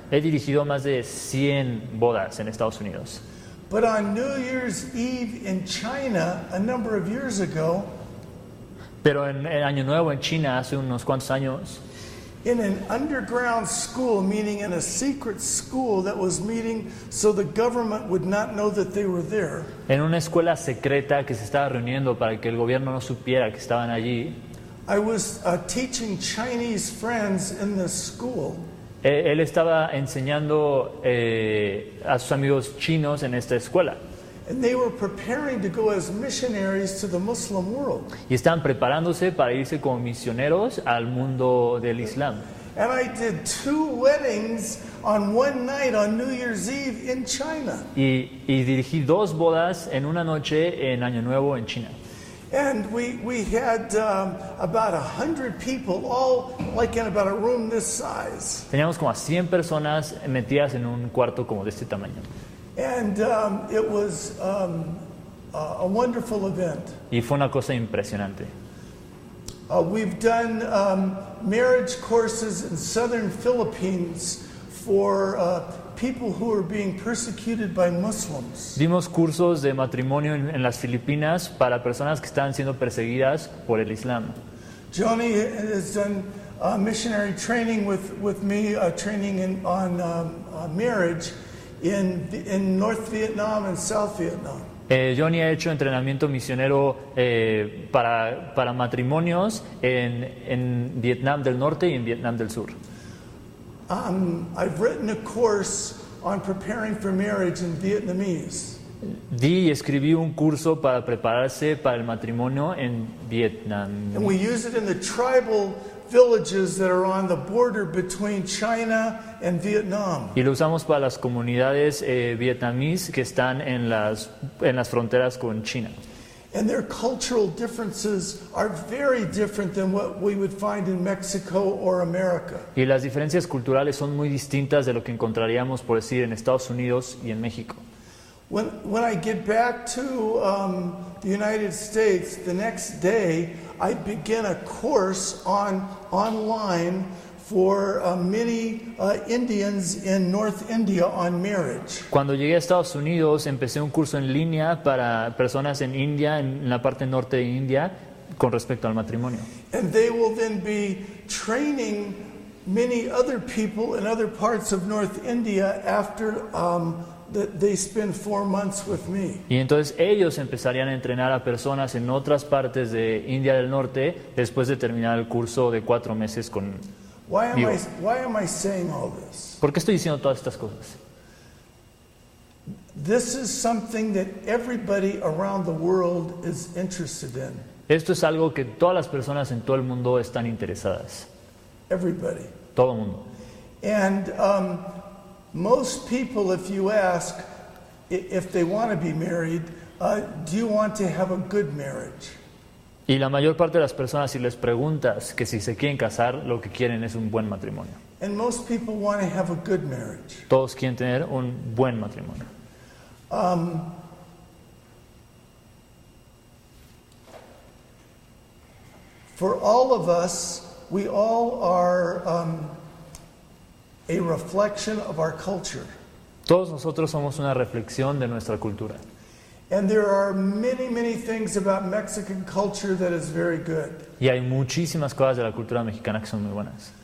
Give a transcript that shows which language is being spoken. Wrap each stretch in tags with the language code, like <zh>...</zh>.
<es>He dirigido más de 100 bodas en Estados Unidos.</es> <en>But on New Year's Eve in China, a number of years ago.</en> <es>Pero en el Año Nuevo en China hace unos cuantos años.</es> <en>In an underground school, meaning in a secret school that was meeting so the government would not know that they were there.</en> <es>En una escuela secreta que se estaba reuniendo para que el gobierno no supiera que estaban allí.</es> <en>I was teaching Chinese friends in the school.</en> <es>Él estaba enseñando a sus amigos chinos en esta escuela.</es> <en>And they were preparing to go as missionaries to the Muslim world.</en> <es>Y estaban preparándose para irse como misioneros al mundo del Islam.</es> <en>And I did 2 weddings on one night on New Year's Eve in China.</en> <es>Y dirigí 2 bodas en una noche en Año Nuevo en China.</es> <en>And we had about 100 people all like in about a room this size.</en> <es>Teníamos como a 100 personas metidas en un cuarto como de este tamaño.</es> <en>And it was a wonderful event.</en> <es>Y fue una cosa impresionante.</es> <en>We've done marriage courses in southern Philippines for people who are being persecuted by Muslims.</en> <es>Dimos cursos de matrimonio en las Filipinas para personas que están siendo perseguidas por el Islam.</es> <en>Johnny has done missionary training with me, training on marriage in North Vietnam and South Vietnam.</en> <es>Johnny ha hecho entrenamiento misionero para matrimonios en Vietnam del Norte y en Vietnam del Sur.</es> <en>I've written a course on preparing for marriage in Vietnamese.</en> <es>Di escribí un curso para prepararse para el matrimonio en Vietnam.</es> <en>And we use it in the tribal villages that are on the border between China and Vietnam.</en> <es>Y lo usamos para las comunidades vietnamíes que están en las fronteras con China.</es> <en>And their cultural differences are very different than what we would find in Mexico or America.</en> <es>Y las diferencias culturales son muy distintas de lo que encontraríamos, por decir, en Estados Unidos y en México.</es> <en>When I get back to the United States the next day, I begin a course online for many Indians in North India on marriage.</en> <es>Cuando llegué a Estados Unidos, empecé un curso en línea para personas en India, en la parte norte de India, con respecto al matrimonio.</es> <en>And they will then be training many other people in other parts of North India after that they spend 4 months with me.</en> <es>Y entonces ellos empezarían a entrenar a personas en otras partes de India del Norte después de terminar el curso de 4 meses con.</es> <en>Why am I saying all this?</en> <es>¿Por qué estoy diciendo todas estas cosas?</es> <en>This is something that everybody around the world is interested in.</en> <es>Esto es algo que todas las personas en todo el mundo están interesadas.</es> <en>Everybody.</en> <es>Todo el mundo.</es> <en>And most people, if you ask, if they want to be married, do you want to have a good marriage?</en> <es>Y la mayor parte de las personas, si les preguntas que si se quieren casar, lo que quieren es un buen matrimonio.</es> <en>And most people want to have a good marriage.</en> <es>Todos quieren tener un buen matrimonio.</es> <en>For all of us, we all are a reflection of our culture.</en> <es>Todos nosotros somos una reflexión de nuestra cultura.</es> <en>And there are many, many things about Mexican culture that is very good.</en> <es>Y hay muchísimas cosas de la cultura mexicana que son muy buenas.</es>